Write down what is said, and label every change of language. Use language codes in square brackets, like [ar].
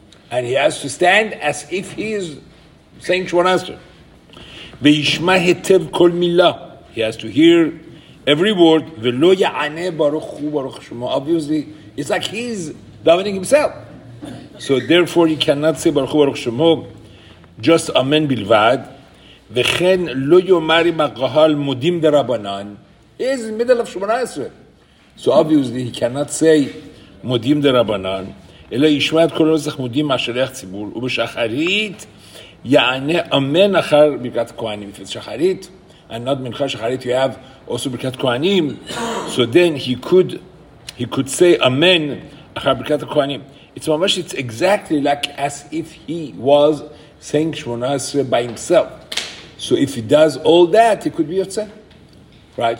[en] And he has to stand as if he is saying Shemona Esrei. [he] Ve'yishma hetev kol mila. [en] He has to hear every word. [he] Ve'lo ya'ane baruch hu baruch shemo. [en] Obviously, it's like he's davening himself. So therefore, he cannot say [he] baruch hu baruch shemo. [en] Just amen bilvad. [he] וכן לא יאמר עם הקהל מודים דרבנן. [en] He's in the middle of Shemona Esrei. So obviously he cannot say [he] מודים דרבנן, אלא ישמע את כל הנוסח מודים מהשליח ציבור, ובשחרית יענה אמן אחר ברכת הכהנים. [en] If it's שחרית, and not מנחה שחרית, you have also ברכת הכהנים. So then he could say [he] אמן אחר ברכת הכהנים. [en] It's ממש, it's exactly like as if he was saying Shemona Esrei by himself. So if he does all that, he could be Yotzeh. Right?